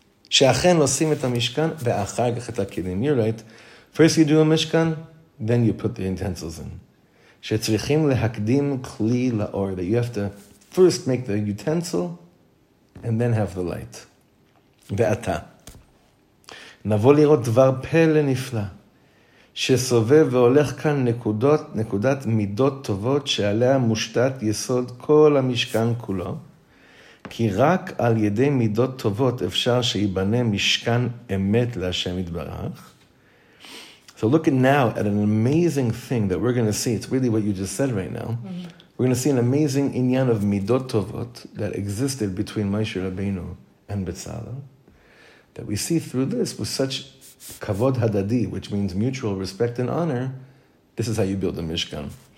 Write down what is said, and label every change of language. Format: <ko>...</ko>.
<he>She'achen losim et ha-mishkan ve'achag et ha-kidim.</he> <en>You're right. First you do a mishkan, then you put the utensils in.</en> <he>She'tzrichim lehakdim kli la'or.</he> <en>That you have to first make the utensil and then have the light.</en> <he>Ve'ata. Navo lirot dvar pele nifla. שסובב והולך כאן נקודות, נקודת מידות טובות שעליה מושתת יסוד כל המשכן כולו. כי רק על ידי מידות טובות אפשר שיבנה משכן אמת להשם יתברך.</he> <en>So look now at an amazing thing that we're going to see. It's really what you just said right now. Mm-hmm. We're going to see an amazing עניין of מידות טובות that existed between Moshe Rabbeinu and Betsalel. That we see through this with such kavod hadadi, which means mutual respect and honor, this is how you build a mishkan.</en>